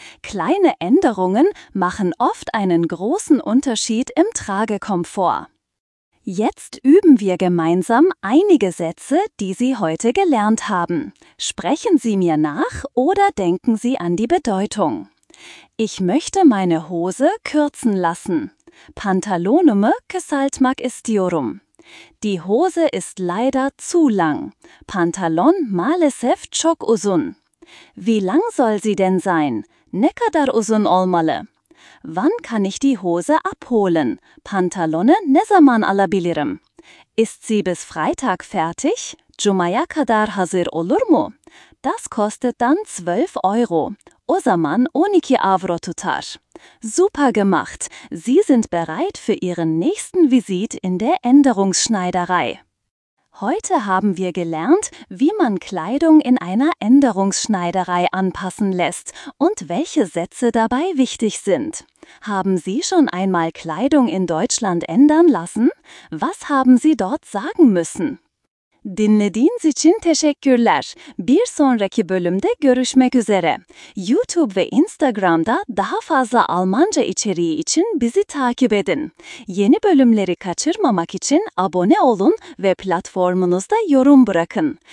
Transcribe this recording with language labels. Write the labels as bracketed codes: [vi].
[de] Kleine Änderungen machen oft einen großen Unterschied im Tragekomfort. Jetzt üben wir gemeinsam einige Sätze, die Sie heute gelernt haben. Sprechen Sie mir nach oder denken Sie an die Bedeutung. Ich möchte meine Hose kürzen lassen. [tr] Pantalonumu kısaltmak istiyorum. [de] Die Hose ist leider zu lang. [tr] Pantalon maalesef çok uzun. [de] Wie lang soll sie denn sein? [tr] Ne kadar uzun olmalı? [de] Wann kann ich die Hose abholen? [tr] Pantalonu ne zaman alabilirim? [de] Ist sie bis Freitag fertig? [tr] Cumaya kadar hazır olur mu? [de] Das kostet dann 12 €. [tr] O zaman 12 € tutar. [de] Super gemacht! Sie sind bereit für Ihren nächsten Visit in der Änderungsschneiderei. Heute haben wir gelernt, wie man Kleidung in einer Änderungsschneiderei anpassen lässt und welche Sätze dabei wichtig sind. Haben Sie schon einmal Kleidung in Deutschland ändern lassen? Was haben Sie dort sagen müssen? [tr] Dinlediğiniz için teşekkürler. Bir sonraki bölümde görüşmek üzere. YouTube ve Instagram'da daha fazla Almanca içeriği için bizi takip edin. Yeni bölümleri kaçırmamak için abone olun ve platformunuzda yorum bırakın.